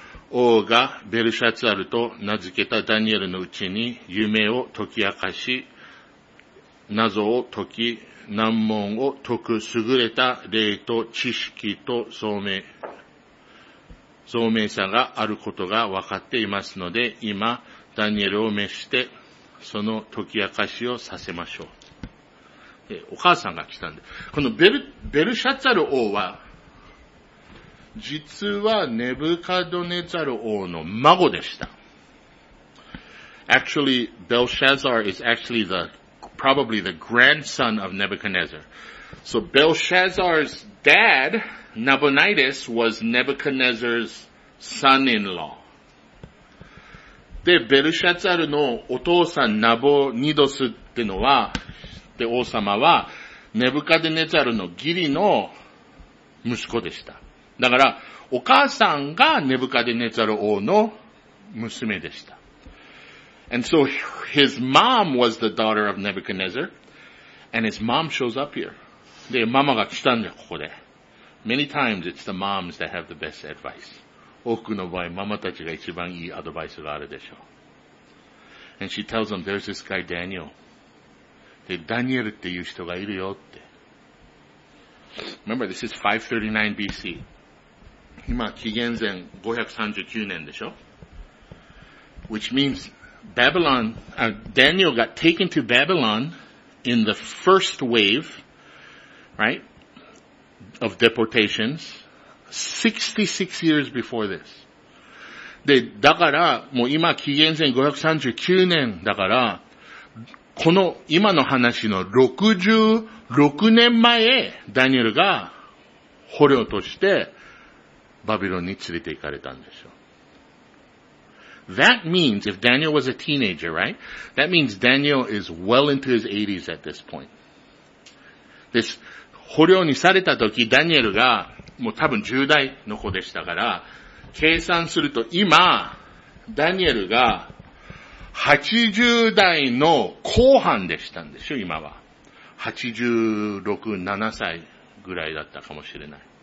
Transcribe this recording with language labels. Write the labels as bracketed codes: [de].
[ja] 王がベルシャツァルと名付けたダニエルのうちに夢を解き明かし、謎を解き、難問を解く優れた霊と知識と聡明さがあることが分かっていますので、今、ダニエルを召して、その解き明かしをさせましょう。お母さんが来たんで。このベルシャツァル王は、実はネブカドネザル王の孫でした。 [en] Actually, Belshazzar is actually probably the grandson of Nebuchadnezzar. So Belshazzar's dad, Nabonidus, was Nebuchadnezzar's son-in-law. [ja] で、ベルシャツァルのお父さん、ナボニドスってのは、で、王様は、ネブカデネザルの義理の息子でした。だから、お母さんがネブカデネザル王の娘でした。 [en] And so his mom was the daughter of Nebuchadnezzar, and his mom shows up here. [ja] で、ママが来たんだよ、ここで。 [en] Many times it's the moms that have the best advice. [ja] 多くの場合、ママたちが一番いいアドバイスがあるでしょう。 [en] And she tells him, there's this guy Daniel. [ja] で、ダニエルっていう人がいるよって。 [en] Remember, this is 539 BC. [ja] 今、紀元前539年でしょ。 [en] Which means,Daniel got taken to Babylon in the first wave, right, of deportations, 66 years before this. [ja] で、だから、もう今、紀元前539年だから、この今の話の66年前、ダニエルが捕虜としてバビロンに連れて行かれたんでしょ。 [en] That means, if Daniel was a teenager, right? That means Daniel is well into his 80s at this point. [ja] This, 捕虜にされた時、ダニエルがもう多分10代の子でしたから、計算すると今、ダニエルが80代の後半でしたんでしょ、今は。 86、7歳ぐらいだったかもしれない。